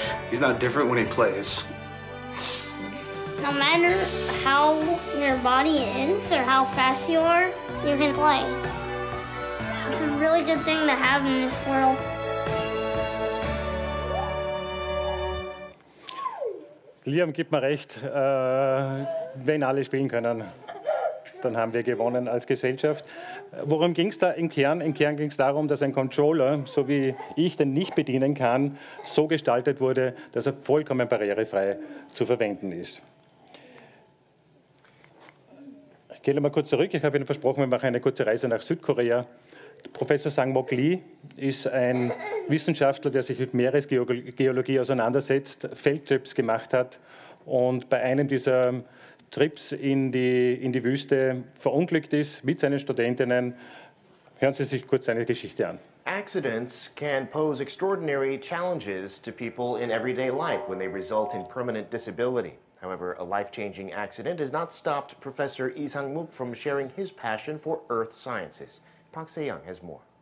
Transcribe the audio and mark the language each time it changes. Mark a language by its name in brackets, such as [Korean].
[English] He's not different when he plays. No matter how your body is or how fast you are, you can play. It's a really good thing to have in this world. [German] Liam, gib mir recht, wenn alle spielen können, dann haben wir gewonnen als Gesellschaft. Worum ging es da im Kern? Im Kern ging es darum, dass ein Controller, so wie ich den nicht bedienen kann, so gestaltet wurde, dass er vollkommen barrierefrei zu verwenden ist. Ich gehe mal kurz zurück. Ich habe Ihnen versprochen, wir machen eine kurze Reise nach Südkorea. Professor Sang-Mok Lee ist ein Wissenschaftler, der sich mit Meeresgeologie auseinandersetzt, Feldtrips gemacht hat und bei einem dieser Trips in die Wüste verunglückt ist mit seinen Studentinnen. Hören Sie sich kurz seine Geschichte an. [English] Accidents can pose extraordinary challenges to people in everyday life when they result in permanent disability. However, a life-changing accident has not stopped Professor Lee Sang-Mok from sharing his passion for earth sciences. Park Se-young has more.